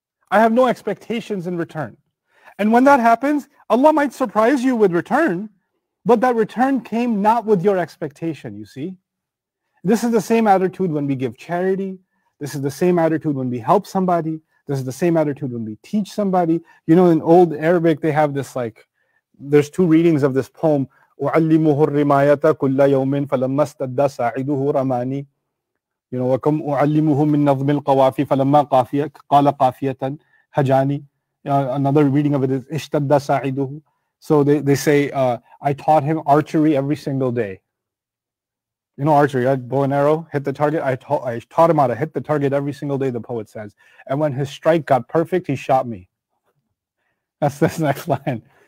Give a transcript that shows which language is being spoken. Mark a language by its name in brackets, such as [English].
[English] I have no expectations in return. And when that happens, Allah might surprise you with return, but that return came not with your expectation, you see. This is the same attitude when we give charity. This is the same attitude when we help somebody. This is the same attitude when we teach somebody. You know, in old Arabic, they have this like, there's two readings of this poem. [Arabic] أُعَلِّمُهُ الرِّمَايَةَ كُلَّ يَوْمٍ فَلَمَّا اسْتَدَّ سَاعِدُهُ رَمَانِي. [English] You know, [Arabic] وَكُمْ أُعَلِّمُهُ مِنْ نَظْمِ الْقَوَافِي فَلَمَّا قَافِيَ قَالَ قَافِيَةً هَجَانِي. [English] Another reading of it is [Arabic] اشْتَدَّ سَاعِدُهُ. [English] So they say, I taught him archery every single day. You know archery, right? Bow and arrow, hit the target. I taught him how to hit the target every single day, the poet says. And when his strike got perfect, he shot me. That's this next line.